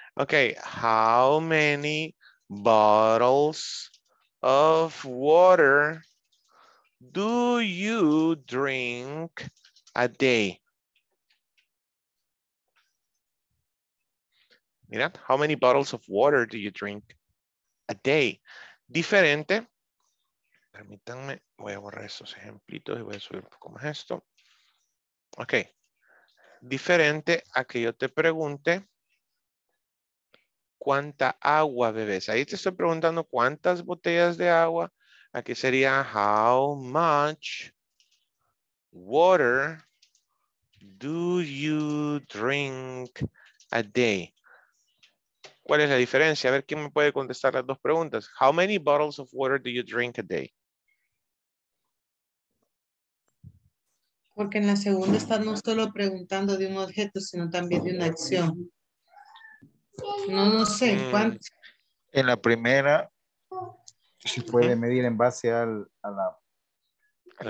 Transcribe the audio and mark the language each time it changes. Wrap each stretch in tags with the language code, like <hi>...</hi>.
<en>Okay, how many bottles of water do you drink a day? Mira, how many bottles of water do you drink a day?</en> <es>Diferente. Permítanme, voy a borrar esos ejemplitos y voy a subir un poco más esto. Okay. Diferente a que yo te pregunte cuánta agua bebes. Ahí te estoy preguntando cuántas botellas de agua. Aquí sería</es> <en>how much water do you drink a day?</en> <es>¿Cuál es la diferencia? A ver quién me puede contestar las dos preguntas.</es> <en>How many bottles of water do you drink a day?</en> <es>Porque en la segunda está no solo preguntando de un objeto, sino también de una acción. No, no sé. ¿Cuánto? En la primera, se puede medir en base a la</es>